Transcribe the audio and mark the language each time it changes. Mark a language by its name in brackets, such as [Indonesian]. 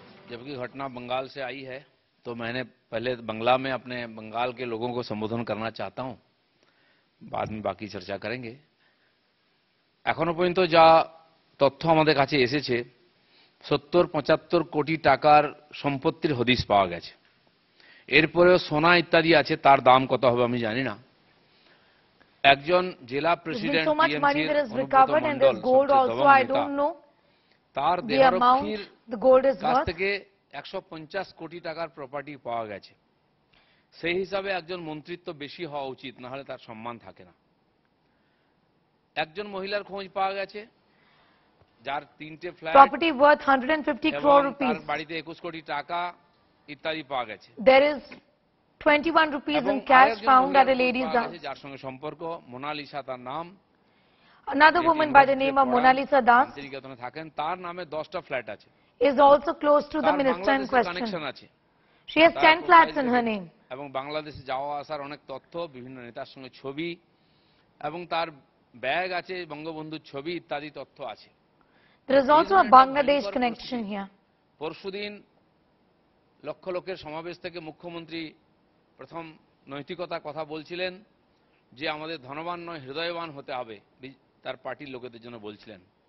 [Hindi] जबकि घटना बंगाल से आई है तो मैंने पहले बंगला में अपने बंगाल के लोगों को संबोधन करना चाहता हूं, बाद में बाकी चर्चा करेंगे। [Bangla] एखनो पर्यंत जा तथ्य हमारे काछे एसेछे, 70-75 কোটি টাকার সম্পত্তির হদিস পাওয়া গেছে। এরপরেও সোনা ইত্যাদি আছে, তার দাম কত হবে আমি জানি না। একজন জেলা প্রেসিডেন্ট তার দেহরক্ষীর কাছ থেকে 150 কোটি টাকার প্রপার্টি পাওয়া গেছে। সেই হিসাবে একজন মন্ত্রিত্ব বেশি হওয়া উচিত, না হলে তার সম্মান থাকে না। একজন মহিলার খোঁজ পাওয়া গেছে যার তিনটে flat, [English] property worth 150 crore rupees, [Bangla] তার বাড়িতে 21 কোটি টাকা ইত্যাদি পাওয়া গেছে। [English] there is 21 rupees in cash found at a ladies house, [Bangla] যার সঙ্গে সম্পর্ক মোনালিসা তার নাম, [English] another woman by the name of Monalisa Das, [Bangla] যিনি থাকেন তার নামে 10টা ফ্ল্যাট আছে, [English] is also close to the minister in question, [Bangla] connection আছে, [English] she has 10 flats in her name, [Bangla] এবং বাংলাদেশে যাওয়া আসার অনেক তথ্য, বিভিন্ন নেতার সঙ্গে ছবি, এবং তার ব্যাগ আছে বঙ্গবন্ধুর ছবি ইত্যাদি তথ্য আছে। [English] There is also a Bangladesh connection here. [Bangla] পরশুদিন লক্ষ লোকের সমাবেশ থেকে মুখ্যমন্ত্রী প্রথম নৈতিকতা কথা বলছিলেন, যে আমাদের ধনবান নয় হৃদয়বান হতে হবে, তার পার্টির লোকেদের জন্য বলছিলেন।